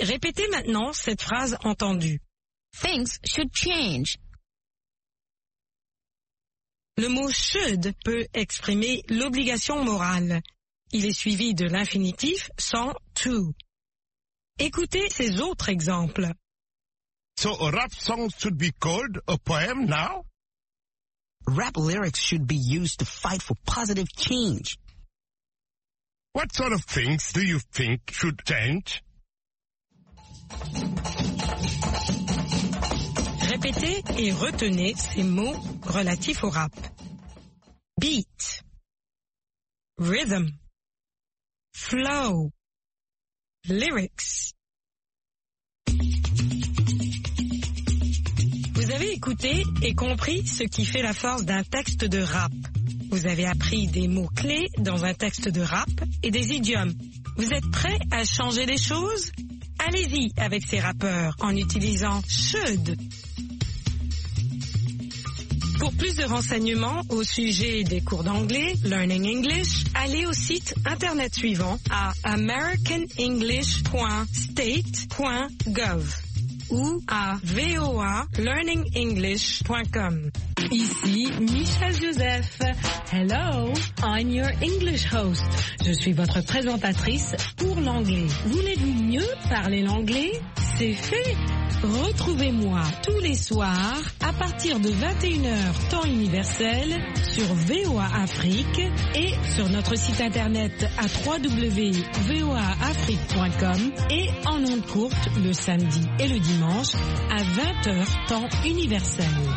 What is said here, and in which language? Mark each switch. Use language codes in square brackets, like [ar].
[fr] Répétez maintenant cette phrase entendue. [en] Things should change. [fr] Le mot « should » peut exprimer l'obligation morale. Il est suivi de l'infinitif sans « to ». Écoutez ces autres exemples. [en] So a rap song should be called a poem now? Rap lyrics should be used to fight for positive change. What sort of things do you think should change? [fr] Répétez et retenez ces mots relatifs au rap. [en] Beat. Rhythm. Flow. Lyrics. [fr] Vous avez écouté et compris ce qui fait la force d'un texte de rap. Vous avez appris des mots clés dans un texte de rap et des idiomes. Vous êtes prêt à changer les choses? Allez-y avec ces rappeurs en utilisant should. Pour plus de renseignements au sujet des cours d'anglais, Learning English, allez au site internet suivant à americanenglish.state.gov. ou à voalearningenglish.com. Ici Michel Joseph. [en] Hello, I'm your English host. [fr] Je suis votre présentatrice pour l'anglais. Voulez-vous mieux parler l'anglais? C'est fait! Retrouvez-moi tous les soirs à partir de 21h temps universel sur VOA Afrique et sur notre site internet à www.voaafrique.com et en onde courte le samedi et le dimanche à 20h temps universel.